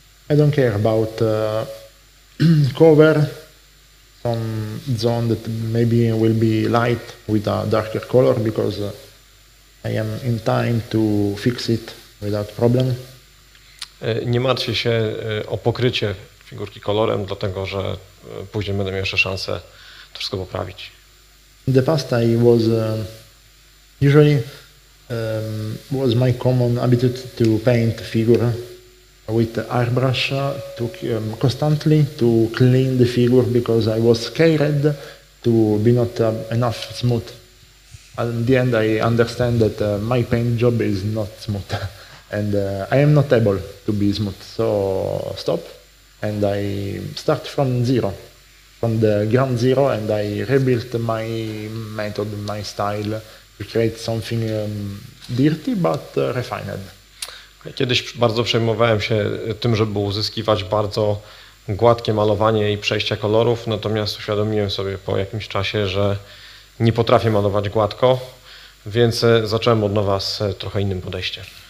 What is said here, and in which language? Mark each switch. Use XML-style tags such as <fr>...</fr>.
<en>I don't care about cover some zone that maybe will be light with a darker color because I am in time to fix it without problem.</en> <pl>Nie martwię się o pokrycie figurki kolorem, dlatego że później będę miał jeszcze szansę to wszystko poprawić.</pl> <en>In the past I was usually was my common habitude to paint figure with the airbrush constantly to clean the figure because I was scared to be not enough smooth. And in the end I understand that my paint job is not smooth and I am not able to be smooth. So stop and I start from zero, from the ground zero, and I rebuilt my method, my style to create something dirty but refined.</en> <pl>Kiedyś bardzo przejmowałem się tym, żeby uzyskiwać bardzo gładkie malowanie i przejścia kolorów, natomiast uświadomiłem sobie po jakimś czasie, że nie potrafię malować gładko, więc zacząłem od nowa z trochę innym podejściem.</pl>